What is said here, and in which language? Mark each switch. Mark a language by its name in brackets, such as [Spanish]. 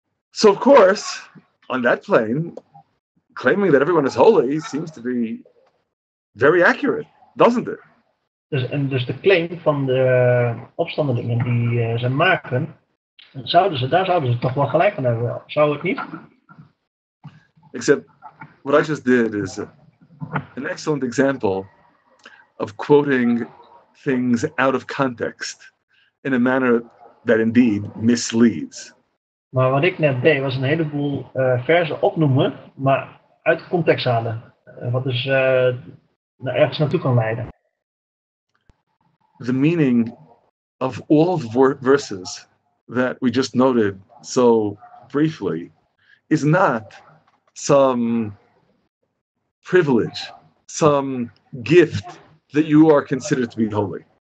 [English] So of course, on that plane, claiming that everyone is holy seems to be very accurate, doesn't it? [Dutch] Dus, en dus de claim van de opstandelingen die ze maken, zouden ze toch wel gelijk aan hebben, zou het niet? [English] Except what I just did is an excellent example of quoting things out of context in a manner that indeed misleads. [Dutch] Maar wat ik net deed was een heleboel verzen opnoemen, maar uit context halen. Wat dus naar ergens naartoe kan leiden. [English] The meaning of all the verses that we just noted so briefly is not some privilege, some gift that you are considered to be holy.